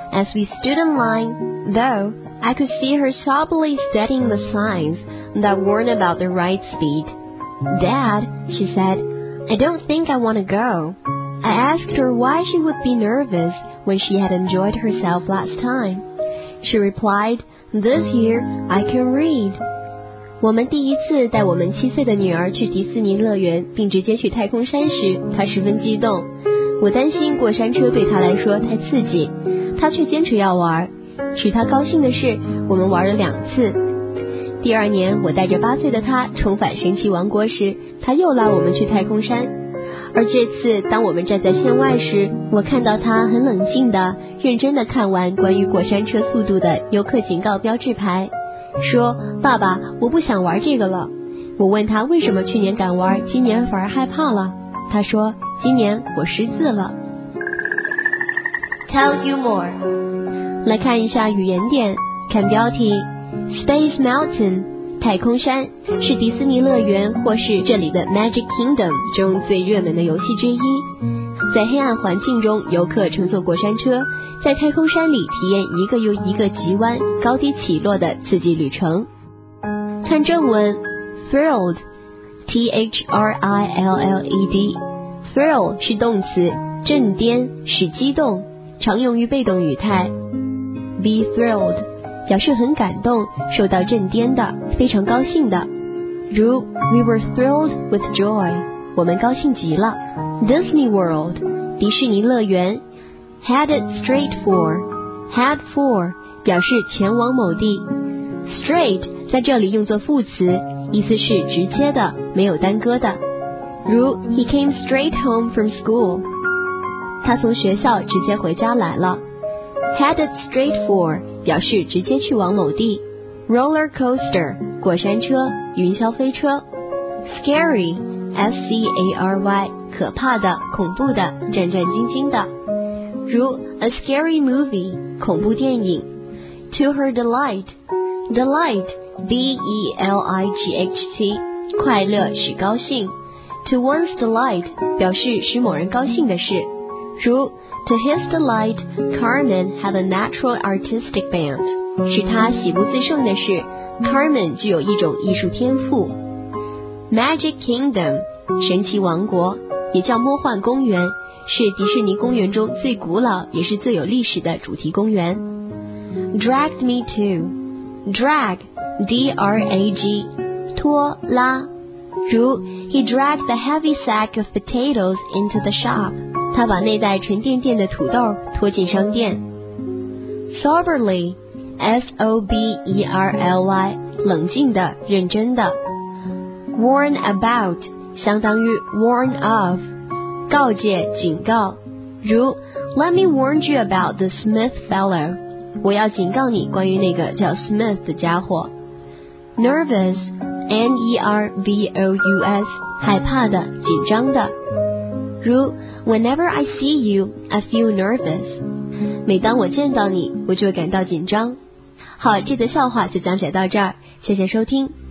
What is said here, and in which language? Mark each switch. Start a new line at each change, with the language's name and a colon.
English: As we stood in line, though, I could see her sobbily studying the signs that warned about the ride speed. "Dad," she said, "I don't think I want to go." I asked her why she would be nervous when she had enjoyed herself last time. She replied, "This year, I can read."
Chinese: 我们第一次带我们7岁的女儿去迪士尼乐园并直接去太空山时，她十分激动。我担心过山车对她来说太刺激，她却坚持要玩。使她高兴的是，我们玩了两次。第二年，我带着8岁的她重返神奇王国时，她又拉我们去太空山。而这次当我们站在线外时，我看到他很冷静地认真地看完关于过山车速度的游客警告标志牌，说，爸爸，我不想玩这个了。我问他为什么去年敢玩，今年反而害怕了。他说，今年我识字了。
English: Tell you more，
Chinese: 来看一下语言点。看标题， Space Mountain太空山是迪士尼乐园或是这里的 Magic Kingdom 中最热门的游戏之一。在黑暗环境中，游客乘坐过山车，在太空山里体验一个又一个急弯、高低起落的刺激旅程。看正文 ，thrilled， T H R I L L E D， thrill 是动词，震颠，使激动，常用于被动语态。
English: Be thrilled。
Chinese: 表示很感动，受到震颠的，非常高兴的。如
English: We were thrilled with joy，
Chinese: 我们高兴极了。 Disney World， 迪士尼乐园。 Headed straight for， head for 表示前往某地。 Straight 在这里用作副词，意思是直接的，没有耽搁的。如
English: He came straight home from school，
Chinese: 他从学校直接回家来了。 Headed straight for 表示直接去往某地。 Roller coaster 过山车、云霄飞车。 Scary S-C-A-R-Y 可怕的、恐怖的、战战兢兢的。如 A scary movie 恐怖电影。 To her delight， delight D-E-L-I-G-H-T 快乐、使高兴。 To one's delight 表示使某人高兴的事。
English: 如To his delight, Carmen had a natural artistic bent.
Chinese: 使他喜不自胜的是 ，Carmen 具有一种艺术天赋。 Magic Kingdom, 神奇王国，也叫魔幻公园，是迪士尼公园中最古老也是最有历史的主题公园。
English: Dragged me to, drag, D-R-A-G, 拖拉，如 He dragged the heavy sack of potatoes into the shop.
Chinese: 他把那袋沉甸甸的土豆拖进商店。Soberly, S-O-B-E-R-L-Y, 冷静的、认真的。 Warn about, 相当于 warn of, 告诫、警告。如
English: Let me warn you about the Smith fellow,
Chinese: 我要警告你关于那个叫 Smith 的家伙。 Nervous, N-E-R-V-O-U-S, 害怕的、紧张的。
English: 如 Whenever I see you, I feel nervous.
Chinese: 每当我见到你，我就会感到紧张。好，这则笑话就讲解到这儿，谢谢收听。